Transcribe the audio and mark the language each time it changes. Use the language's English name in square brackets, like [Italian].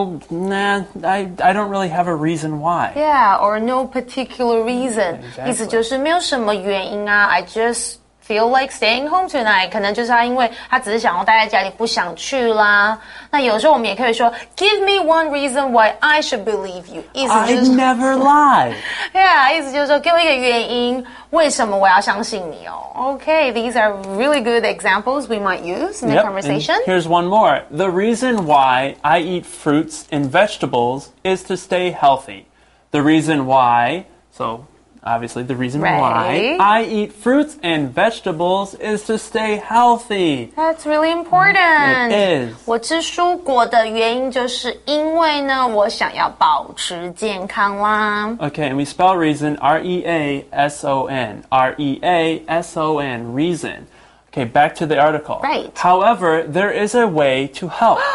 [English] No, I don't really have a reason why. Yeah, or no particular reason. Exactly. [Chinese] 意思就是没有什么原因啊。 [English] I just feel like staying home tonight. [Chinese] 可能就是他因为他只是想要待在家里不想去啦。那有时候我们也可以说 [English] give me one reason why I should believe you. [Chinese] 意思就是 [English] I never lie. [Chinese] Yeah, 意思就是说给我一个原因为什么我要相信你哦。 [English] Okay, these are really good examples we might use in the conversation. And here's one more. The reason why I eat fruits and vegetables is to stay healthy. The reason why, so... Obviously, the reason why I eat fruits and vegetables is to stay healthy. That's really important. It is. [Chinese] 我吃蔬果的原因就是因为呢，我想要保持健康啦。 [English] Okay, and we spell reason, R-E-A-S-O-N, R-E-A-S-O-N, reason. Okay, back to the article. Right. However, there is a way to help.